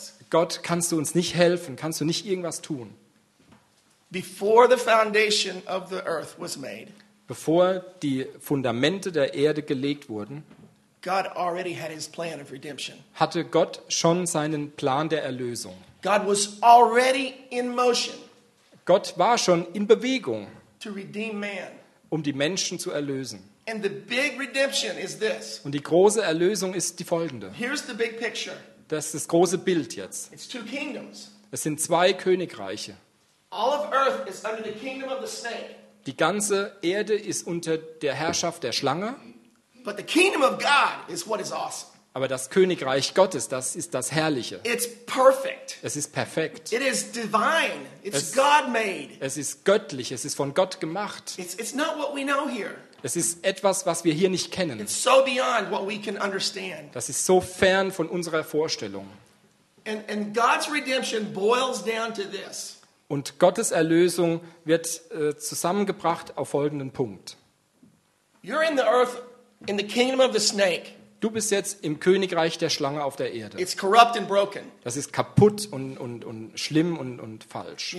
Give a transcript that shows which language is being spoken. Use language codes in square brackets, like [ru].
[de] Gott, kannst du uns nicht helfen? Kannst du nicht irgendwas tun? [en] Before the foundation of the earth was made. [de] Bevor die Fundamente der Erde gelegt wurden. [en] God already had his plan of redemption. [de] Hatte Gott schon seinen Plan der Erlösung? [en] God was already in motion. [de] Gott war schon in Bewegung. [en] To redeem man. [de] Um die Menschen zu erlösen. [en] And the big redemption is this. [de] Und die große Erlösung ist die folgende. [en] Here's the big picture. [de] Das ist das große Bild jetzt. [en] It's two kingdoms. [de] Es sind zwei Königreiche. [en] All of earth is under the kingdom of the snake. [de] Die ganze Erde ist unter der Herrschaft der Schlange. [en] But the kingdom of God is what is awesome. [de] Aber das Königreich Gottes, das ist das Herrliche. [en] It's perfect. [de] Es ist perfekt. [en] It is divine. It's God made. [de] Es ist göttlich, es ist von Gott gemacht. [en] It's not what we know here. [de] Es ist etwas, was wir hier nicht kennen. [en] It's so beyond what we can understand. [de] Das ist so fern von unserer Vorstellung. [en] And God's redemption boils down to this. [de] Und Gottes Erlösung wird zusammengebracht auf folgenden Punkt. [en] You're in the earth in the kingdom of the snake. [de] Du bist jetzt im Königreich der Schlange auf der Erde. [en] It's corrupt and broken. [de] Das ist kaputt und schlimm und falsch.